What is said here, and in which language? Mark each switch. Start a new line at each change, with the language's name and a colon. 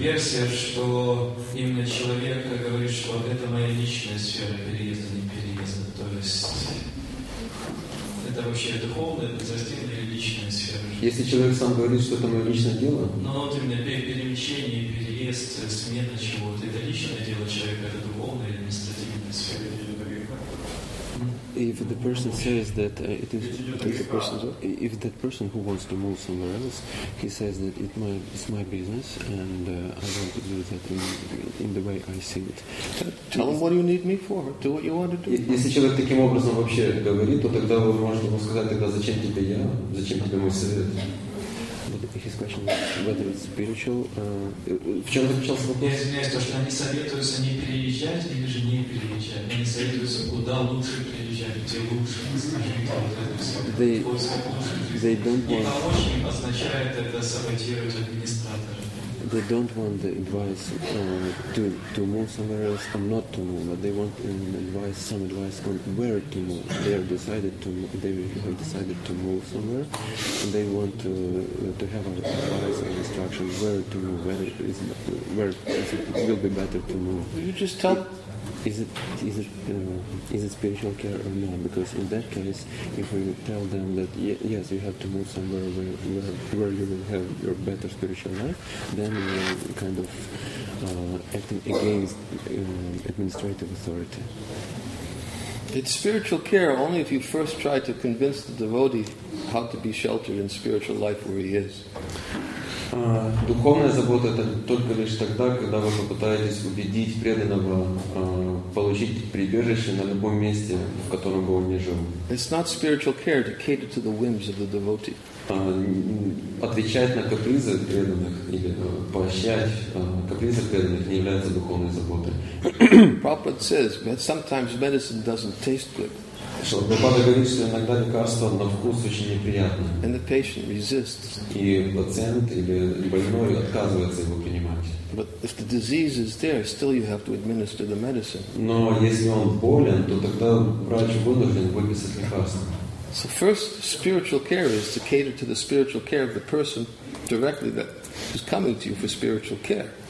Russian: Версия, что именно человек говорит, что это моя личная сфера переезда, не переезда. То есть это вообще духовная, подрастительная или личная сфера? Если человек сам говорит, что это мое личное дело? Ну вот именно перемещение, переезд, смена чего-то. Это личное дело человека, это духовная или административная сфера?
English: If the person says that if that person who wants to move somewhere else, he says that it's my business and I want to do that in the way I see it. Tell him what you need me for. Do what you want to do.
Russian: Если человек таким образом вообще говорит, то тогда вы можете ему сказать, тогда зачем тебе я, зачем тебе мой совет?
English: But his question is whether it's spiritual.
Russian: В чем заключался вопрос? Я извиняюсь, то, что они советуются не переезжать или же не переезжать. Они советуются, куда лучше переезжать, где лучше, скажем так, вот это все.
English: They don't want.
Russian: И помочь им означает это саботировать администратора.
English: They don't want the advice to move somewhere else and not to move, but they want some advice on where to move. They have decided to move somewhere, and they want to have advice and instruction where to move, whether it will be better to move. You just tell. Is it spiritual care or not? Because in that case, if we tell them that yes, you have to move somewhere where you will have your better spiritual life, then we are kind of acting against administrative authority. It's spiritual care only if you first try to convince the devotee how to be sheltered in spiritual life where he is.
Russian: Духовная забота — это только лишь тогда, когда вы попытаетесь убедить преданного получить прибежище на любом месте, в котором бы он ни жил.
English: It's not spiritual care to cater to the whims of the devotee.
Russian: Отвечать на капризы преданных или поощрять капризы преданных не является духовной заботой.
English: Prabhupada says that sometimes medicine doesn't taste good.
Russian: Прабхупада говорит, что иногда лекарство на вкус очень неприятно.
English: And the patient resists.
Russian: И пациент или больной отказывается его принимать.
English: But if the disease is there, still you have to administer the medicine.
Russian: Но если он болен, то тогда врач вынужден выписать лекарство.
English: So first, spiritual care is to cater to the spiritual care of the person directly that is coming to you for spiritual care.